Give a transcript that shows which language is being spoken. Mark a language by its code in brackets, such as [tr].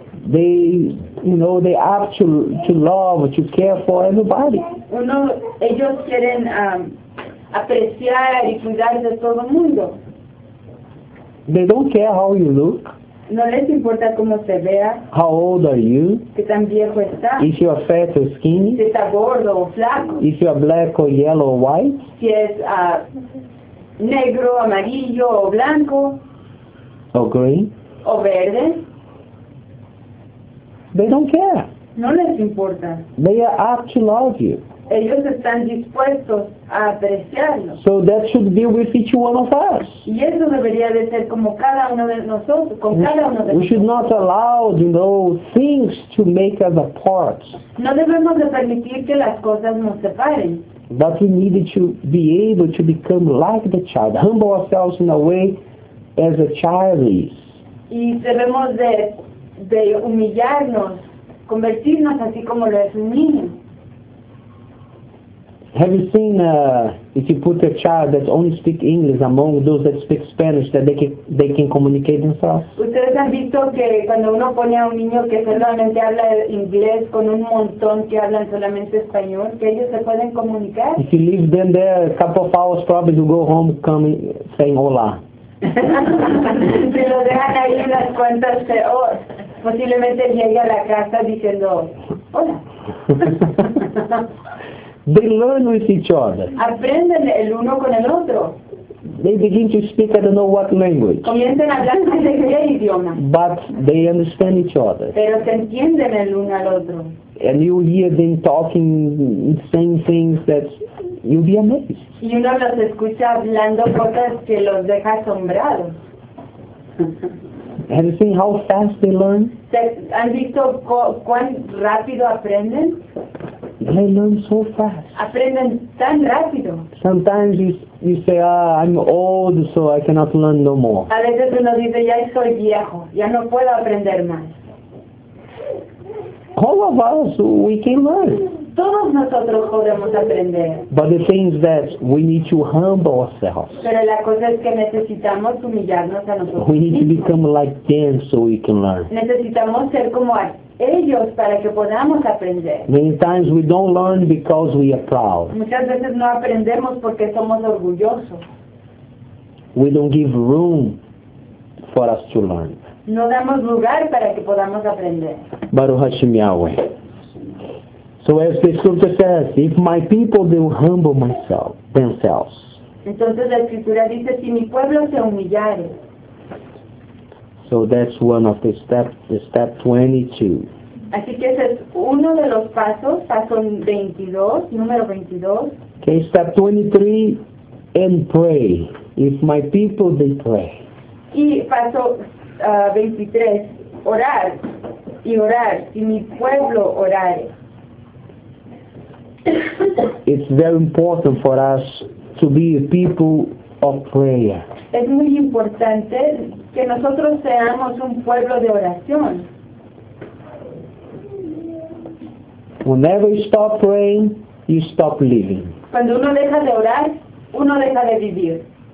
[en] They, you know, they have to love, to care for everybody. [es] Uno, ellos quieren apreciar y cuidar de todo el mundo. [en] They don't care how you look. [es] No les importa cómo se vea. [en] How old are you? [es] Qué tan viejo está. [en] If you are fat or skinny. [es] Si está gordo o flaco. [en] If you are black or yellow or white. [es] Si es negro, amarillo o blanco. [en] Or green. [es] O verde. [en] They don't care. [es] No les importa. [en] They are apt to love you. [es] Ellos están dispuestos a apreciarlo. [en] So that should be with each one of us. [es] Y eso debería de ser como cada uno de nosotros, con cada uno de nosotros. [en] We should not allow, you know, things to make us apart. [es] No debemos de permitir que las cosas nos separen. [en] But we need to be able to become like the child, humble ourselves in a way as a child is. [es] Y debemos de humillarnos, convertirnos así como lo es un niño. [en] Have you seen if you put a child that only speak English among those that speak Spanish, that they can communicate themselves? [es] ¿Ustedes han visto que cuando uno pone a un niño que solamente habla inglés con un montón que hablan solamente español, que ellos se pueden comunicar? [en] If you leave them there a couple of hours, probably you go home coming saying hola. [es] Si lo dejan ahí unas cuantas horas, posiblemente llegue a la casa diciendo hola. [en] They learn with each other. [es] Aprenden el uno con el otro. [en] They begin to speak I don't know what language. [es] Comienzan a hablar en qué idioma. [en] But they understand each other. [es] Pero se entienden el uno al otro. [en] And you hear them talking, saying things that you'll be amazed. [es] Y uno los escucha hablando cosas que los deja asombrados. [en] Have you seen how fast they learn? [es] ¿Han visto cuán rápido aprenden? [en] They learn so fast. [es] Aprenden tan rápido. [en] Sometimes you say, I'm old, so I cannot learn no more. [es] A veces uno dice, ya soy viejo, ya no puedo aprender más. [en] All of us, we can learn. [es] Todos nosotros podemos aprender. [en] But the thing is that we need to humble ourselves. [es] Pero la cosa es que necesitamos humillarnos a nosotros mismos. [en] We need to become like them so we can learn. [es] Necesitamos ser como ellos para que podamos aprender. [en] Many times we don't learn because we are proud. [es] Muchas veces no aprendemos porque somos orgullosos. [en] We don't give room for us to learn. [es] No damos lugar para que podamos aprender. [he] Baruch Hashem Yahweh. [en] So as the scripture says, if my people do humble myself, themselves. [es] Entonces la escritura dice, si mi pueblo se humillare. [en] So that's one of the steps, the step 22. [es] Así que ese es uno de los pasos, paso 22, número 22. [en] Okay, step 23, and pray. If my people, they pray. [es] Y paso 23, orar. Y orar, si mi pueblo orare. [en] It's very important for us to be a people of prayer. [es] Es muy importante que nosotros seamos un pueblo de oración. [en] Whenever you stop praying, you stop living. [es] Cuando uno deja de orar, uno deja de vivir.